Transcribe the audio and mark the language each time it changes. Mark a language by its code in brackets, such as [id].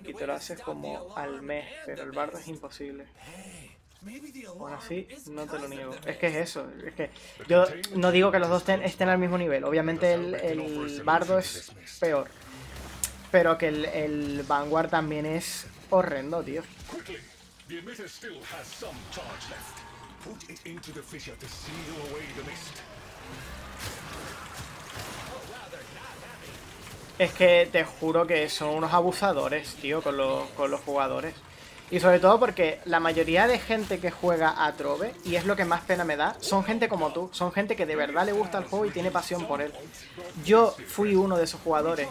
[es] Y te lo haces como al mes, pero el bardo es imposible. Aún así, no te lo niego. Es que es eso. Es que yo no digo que los dos estén al mismo nivel. Obviamente el bardo es peor. Pero que el vanguard también es horrendo, tío. [en] Put it into the fissure to seal away the mist. [es] Es que te juro que son unos abusadores, tío, con los jugadores. Y sobre todo porque la mayoría de gente que juega a Trove, y es lo que más pena me da, son gente como tú. Son gente que de verdad le gusta el juego y tiene pasión por él. Yo fui uno de esos jugadores.